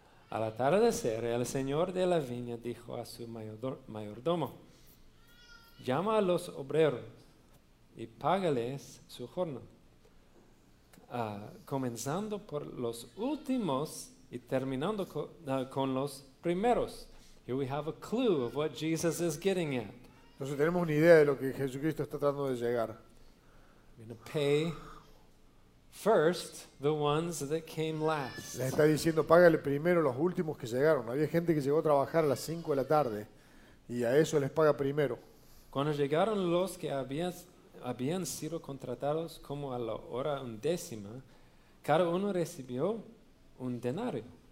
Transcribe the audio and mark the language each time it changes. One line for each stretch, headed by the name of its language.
Spanish: Al atardecer, el señor de la viña dijo a su mayordomo, llama a los obreros y págales su jornal. Comenzando por los últimos y terminando con los primeros.
English: Here we have a clue of what Jesus is getting at.
Spanish: Entonces tenemos una idea de lo que Jesucristo está tratando de llegar.
English: We're going to pay first the ones that came last.
Spanish: Le está diciendo, págale primero los últimos que llegaron. Había gente que llegó a trabajar a las 5 de la tarde y a eso les paga primero. Cuando llegaron los que habían sido contratados como a la hora undécima, cada uno recibió un denario.